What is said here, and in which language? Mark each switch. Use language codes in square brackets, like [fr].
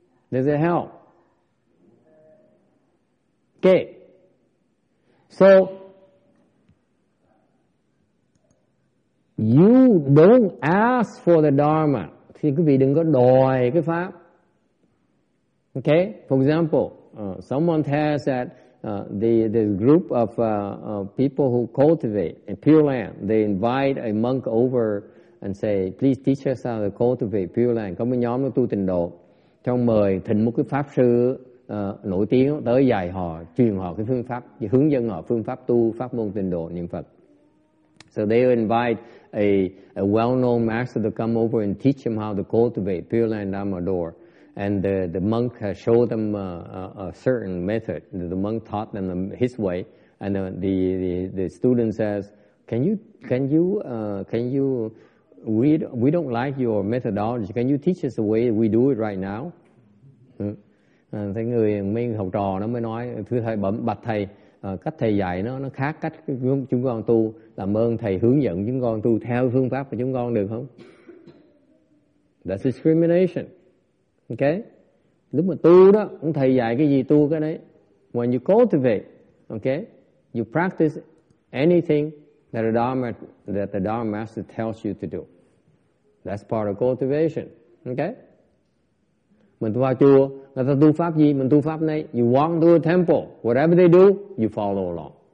[en] Does it help? Okay. So, you don't ask for the Dharma. [vi] Thì quý vị đừng có đòi cái pháp. [en] Okay? For example, someone says that the group of people who cultivate in pure land, they invite a monk over and say, please teach us how to cultivate pure land. [vi] Có một nhóm nó tu tịnh độ, trong mời thỉnh một cái pháp sư nổi tiếng tới dạy họ, truyền họ cái phương pháp, hướng dẫn họ phương pháp tu, pháp môn tịnh độ, niệm Phật. [en] So they invite a well-known master to come over and teach him how to cultivate pure land Amador. And the monk showed them a certain method. The monk taught them his way. And the student says, "Can you? We don't like your methodology. Can you teach us the way we do it right now?" [vi] Thế người mấy học trò nó mới nói, thưa thầy, bạch thầy, cách thầy dạy nó khác cách chúng con tu. Làm ơn thầy hướng dẫn chúng con tu theo phương pháp của chúng con được không? [en] That's discrimination. [vi] Okay, lúc mà tu đó, ông thầy dạy cái gì tu cái đấy. [en] When you cultivate, okay, you practice anything that the Dharma master tells you to do. That's part of cultivation. [vi] Okay, mình vào chùa, người ta tu pháp gì, mình tu pháp này. [en] You walk to a temple, whatever they do, you follow along.